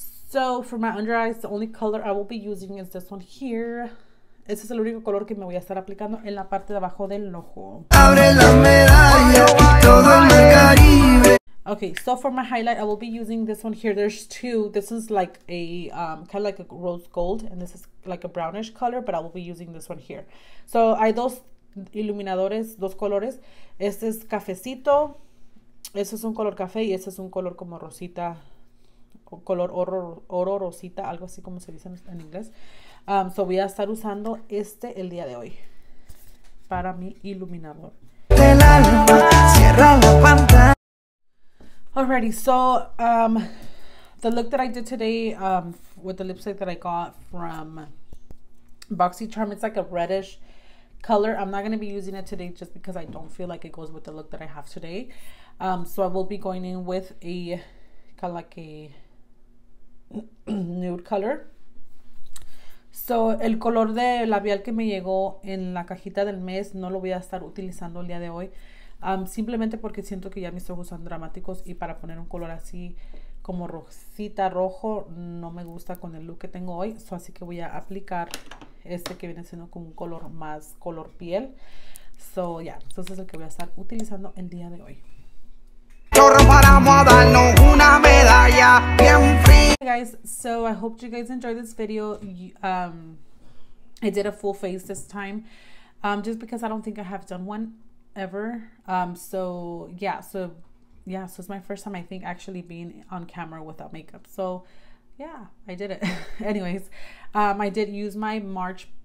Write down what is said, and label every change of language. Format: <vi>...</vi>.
<en>So for my under eyes, the only color I will be using is this one here.</en> <es>Ese es el único color que me voy a estar aplicando en la parte de abajo del ojo. Abre la medalla, todo el Caribe.</es> <en>Okay, so for my highlight, I will be using this one here. There's two. This is like a kind of like a rose gold, and this is like a brownish color, but I will be using this one here.</en> <es>So hay dos iluminadores, dos colores. Este es cafecito. Este es un color café y este es un color como rosita, color oro rosita, algo así como se dice en inglés. So voy a estar usando este el día de hoy para mi iluminador. Del alma, cierra la pantalla.</es> <en>Alrighty, so the look that I did today with the lipstick that I got from BoxyCharm, it's like a reddish color. I'm not going to be using it today just because I don't feel like it goes with the look that I have today. So I will be going in with a kind of like a nude color.</en> <es>So el color de labial que me llegó en la cajita del mes no lo voy a estar utilizando el día de hoy. Simplemente porque siento que ya mis ojos son dramáticos y para poner un color así como rosita, rojo, no me gusta con el look que tengo hoy. So, así que voy a aplicar este que viene siendo con un color más color piel. So, ya, yeah, entonces es el que voy a estar utilizando el día de hoy.</es> <en>Hey guys, so I hope you guys enjoyed this video. I did a full face this time, just because I don't think I have done one ever. So it's my first time I think actually being on camera without makeup, so yeah, I did it. Anyways, I did use my March</en>